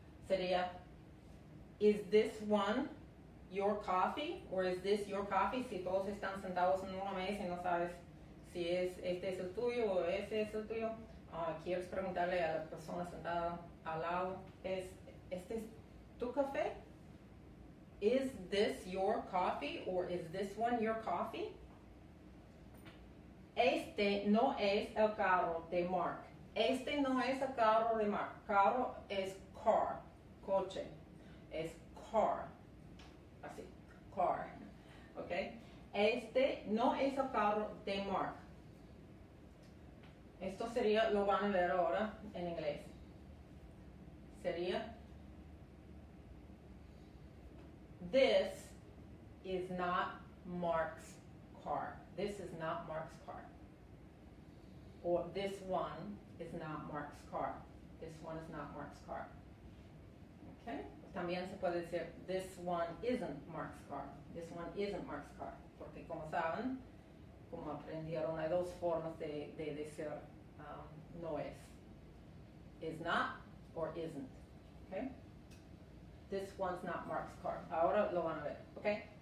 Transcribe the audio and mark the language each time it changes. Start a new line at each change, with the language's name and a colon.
English: Sería, is this one your coffee, or is this your coffee?
Spanish: Si todos están sentados en una mesa y no sabes si es este es el tuyo o ese es el tuyo, quieres preguntarle a la persona sentada al lado, ¿este es tu café?
English: Is this your coffee, or is this one your coffee?
Spanish: Este no es el carro de Mark. Este no es el carro de Mark. Carro es car, coche, es car. Así, car, ok. Este no es el carro de Mark. Esto sería, lo van a ver ahora en inglés.
English: Sería, this is not Mark's car. This is not Mark's car. Or this one is not Mark's car. This one is not Mark's car. Ok.
Spanish: También se puede decir,
English: this one isn't Mark's car. This one isn't Mark's car.
Spanish: Porque como saben, como aprendieron, hay dos formas de decir no es.
English: Is not or isn't. Okay? This one's not Mark's car.
Spanish: Ahora lo van a ver.
English: Okay?